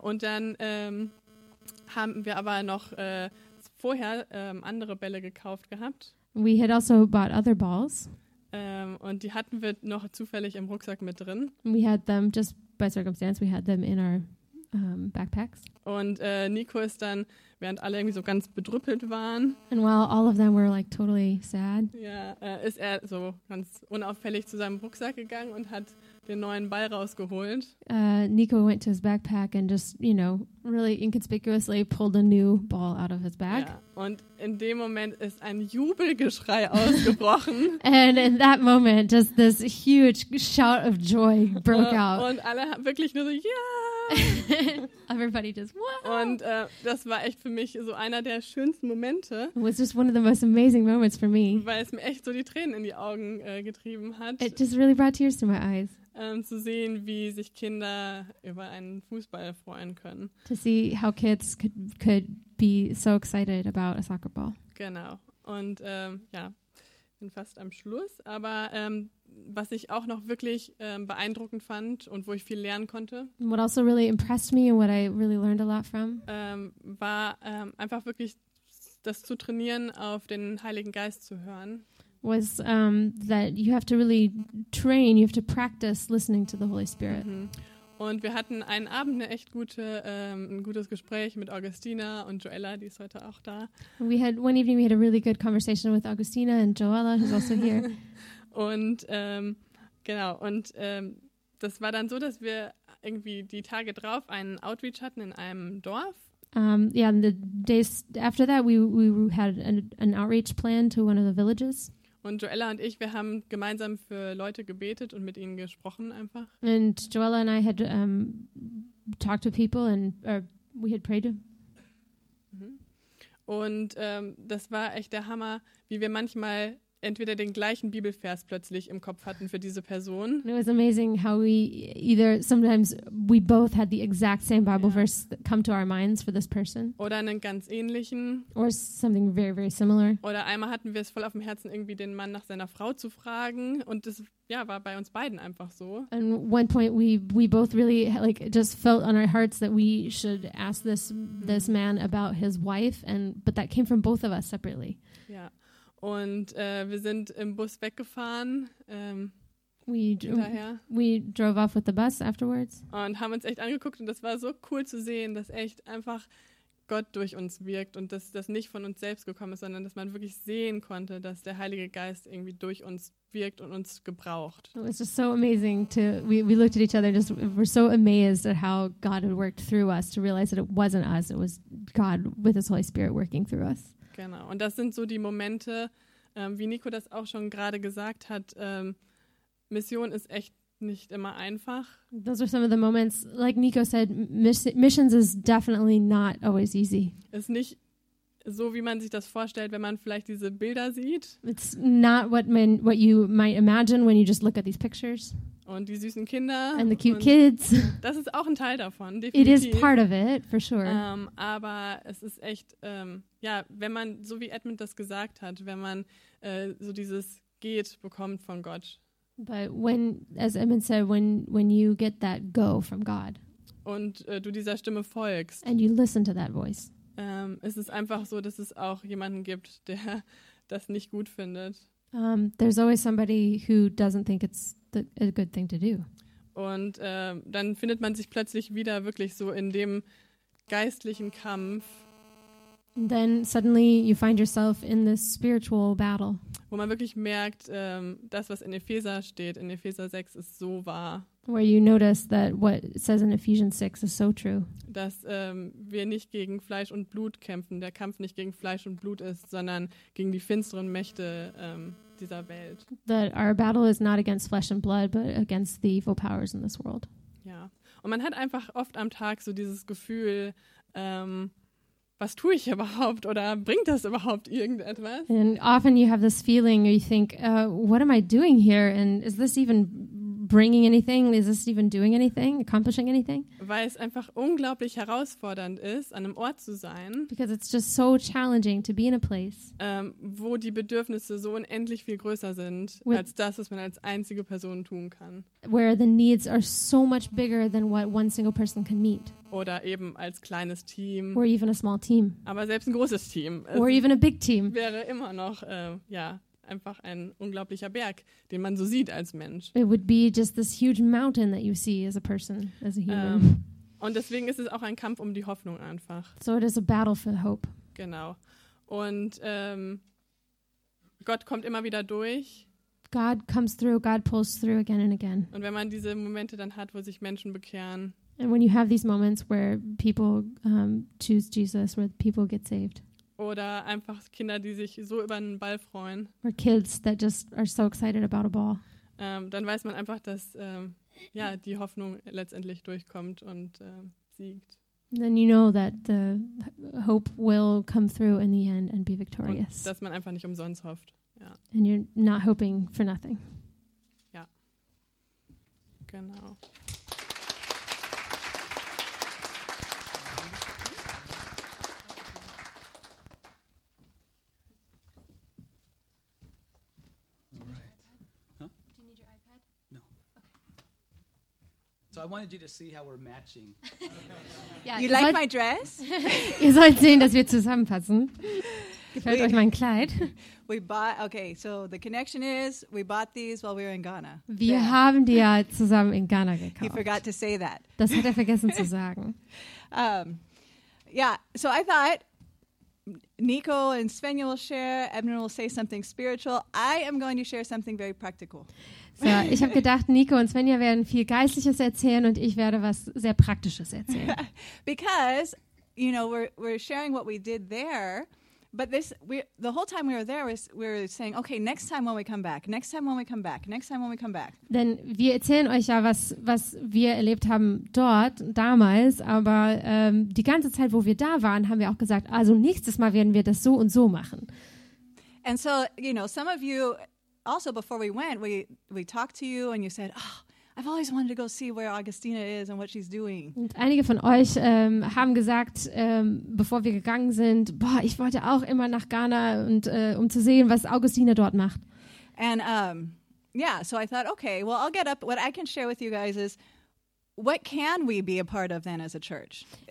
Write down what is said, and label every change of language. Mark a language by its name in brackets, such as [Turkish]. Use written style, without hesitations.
[German] Und dann haben wir aber noch vorher andere Bälle gekauft gehabt. [English] We had also bought other balls. [German] Und die hatten wir noch zufällig im Rucksack mit drin. [English] We had them just by circumstance. We had them in our backpacks. [German] Und Nico ist dann, während alle irgendwie so ganz bedrüppelt waren. [English] And while all of them were like totally sad. [German] Ja, ist er so ganz unauffällig zu seinem Rucksack gegangen und hat den neuen Ball rausgeholt. [English] Nico went to his backpack and just, you know, really inconspicuously pulled a new ball out of his bag. [German] Ja. Und in dem Moment ist ein Jubelgeschrei ausgebrochen. [English] And in that moment just this huge shout of joy broke out. [German] Und alle haben wirklich nur so, ja! [English] Yeah! Everybody just, wow! [German] Und das war echt für mich so einer der schönsten Momente. [English] It was just one of the most amazing moments for me. [German] Weil es mir echt so die Tränen in die Augen getrieben hat. [English] It just really brought tears to my eyes. [German] Zu sehen, wie sich Kinder über einen Fußball freuen können. [English] To see how kids could be so excited about a soccer ball. [German] Genau. Und ja, bin fast am Schluss. Aber was ich auch noch wirklich beeindruckend fand und wo ich viel lernen konnte. [English] What also really impressed me and what I really learned a lot from. [German] War einfach wirklich das zu trainieren, auf den Heiligen Geist zu hören. [English] Was that you have to really train, you have to practice listening to the Holy Spirit. Mm-hmm. [German] Und wir hatten einen Abend eine echt gute, ein gutes Gespräch mit Augustina und Joella, die ist heute auch da. [English] We had one evening, we had a really good conversation with Augustina and Joella, who's also here. [German] Und genau, und das war dann so, dass wir irgendwie die Tage drauf einen Outreach hatten in einem Dorf. [English] Yeah, and the days after that, we had an outreach plan to one of the villages. [German] Und Joella und ich, wir haben gemeinsam für Leute gebetet und mit ihnen gesprochen einfach. [English] And Joella and I had talked to people and we had prayed. [German] Und das war echt der Hammer, wie wir manchmal entweder den gleichen Bibelvers plötzlich im Kopf hatten für diese Person. [English] It was amazing how we either sometimes we both had the exact same Bible verse come to our minds for this person. [German] Oder einen ganz ähnlichen. [English] Or something very, very similar. [German] Oder einmal hatten wir es voll auf dem Herzen, irgendwie den Mann nach seiner Frau zu fragen und das, ja, war bei uns beiden einfach so. [English] And one point we both really like just felt on our hearts that we should ask this man about his wife, and but that came from both of us separately. [German] Ja. Und wir sind im Bus weggefahren. [English] We drove off with the bus afterwards. [German] Und haben uns echt angeguckt und das war so cool zu sehen, dass echt einfach Gott durch uns wirkt und dass das nicht von uns selbst gekommen ist, sondern dass man wirklich sehen konnte, dass der Heilige Geist irgendwie durch uns wirkt und uns gebraucht. [English] It was just so amazing to we looked at each other and just were so amazed at how God had worked through us to realize that it wasn't us, it was God with His Holy Spirit working through us. [German] Genau, und das sind so die Momente, wie Nico das auch schon gerade gesagt hat, Mission ist echt nicht immer einfach. [English] Those are some of the moments, like Nico said, missions is definitely not always easy. [German] Ist nicht so, wie man sich das vorstellt, wenn man vielleicht diese Bilder sieht. [English] It's not what you might imagine when you just look at these pictures. [German] Und die süßen Kinder. [English] And the cute kids. [German] Das ist auch ein Teil davon, definitiv. [English] It is part of it, for sure. [German] Aber es ist echt, ja, wenn man, so wie Edmund das gesagt hat, wenn man so dieses Geht bekommt von Gott. [English] But when, as Edmund said, when you get that go from God. [German] Und du dieser Stimme folgst. [English] And you listen to that voice. [German] Es ist einfach so, dass es auch jemanden gibt, der das nicht gut findet. [English] There's always somebody who doesn't think it's a good thing to do. [German] Und dann findet man sich plötzlich wieder wirklich so in dem geistlichen Kampf. [English] And then suddenly you find yourself in this spiritual battle. [German] Wo man wirklich merkt, das, was in Epheser steht, in Epheser 6, ist so wahr. [English] Where you notice that what says in Ephesians 6 is so true. [German] Dass wir nicht gegen Fleisch und Blut kämpfen, der Kampf nicht gegen Fleisch und Blut ist, sondern gegen die finsteren Mächte dieser Welt. [English] That our battle is not against flesh and blood, but against the evil powers in this world. [German] Ja, und man hat einfach oft am Tag so dieses Gefühl, was tue ich überhaupt oder bringt das überhaupt irgendetwas? [English] And often you have this feeling, you think, what am I doing here and is this even bringing anything? Is this even doing anything? Accomplishing anything? [German] Weil es einfach unglaublich herausfordernd ist, an einem Ort zu sein. [English] Because it's just so challenging to be in a place. [German] Wo die Bedürfnisse so unendlich viel größer sind, with, als das, was man als einzige Person tun kann. [English] Where the needs are so much bigger than what one single person can meet. [German] Oder eben als kleines Team. [English] Or even a small team. [German] Aber selbst ein großes Team. [English] Or even a big team. [German] Wäre immer noch, ja, einfach ein unglaublicher Berg, den man so sieht als Mensch. [English] It would be just this huge mountain that you see as a person, as a human. [German] Und deswegen ist es auch ein Kampf um die Hoffnung einfach. [English] So it is a battle for hope. [German] Genau. Und Gott kommt immer wieder durch. [English] God comes through, God pulls through again and again. [German] Und wenn man diese Momente dann hat, wo sich Menschen bekehren. [English] And when you have these moments where people choose Jesus, where people get saved. [German] Oder einfach Kinder, die sich so über einen Ball freuen. [English] Or kids that just are so excited about a ball. [German] Dann weiß man einfach, dass ja, die Hoffnung letztendlich durchkommt und siegt. [English] Then you know that the hope will come through in the end and be victorious. [German] Und dass man einfach nicht umsonst hofft. Ja. [English] And you're not hoping for nothing. [German] Ja. Genau. [English] So I wanted you to see how we're matching. Yeah, you like my dress? [German] Ihr sollt sehen, dass wir zusammenpassen. Gefällt euch mein Kleid? [English] So the connection is, we bought these while we were in Ghana. [German] Wir haben die ja zusammen in Ghana gekauft. [English] He forgot to say that. [German] Das hat vergessen zu sagen. [English] Yeah, so I thought Nico and Svenja will share, Edmund will say something spiritual. I am going to share something very practical. [German] So, ich habe gedacht, Nico und Svenja werden viel Geistliches erzählen und ich werde was sehr Praktisches erzählen. [English] Because, you know, we're sharing what we did there, but this, the whole time we were there, we were saying, okay, next time when we come back, next time when we come back, next time when we come back. [German] Denn wir erzählen euch ja, was wir erlebt haben dort, damals, aber die ganze Zeit, wo wir da waren, haben wir auch gesagt, also nächstes Mal werden wir das so und so machen. [English] And so, you know, some of you, also before we went, we talked to you and you said, oh, I've always wanted to go see where Augustina is and what she's doing. [German] Und einige von euch haben gesagt, bevor wir gegangen sind, boah, ich wollte auch immer nach Ghana und um zu sehen, was Augustina dort macht. [English] And yeah, so I thought, okay, well, I'll get up. What I can share with you guys is, what can we be a part of then as a church?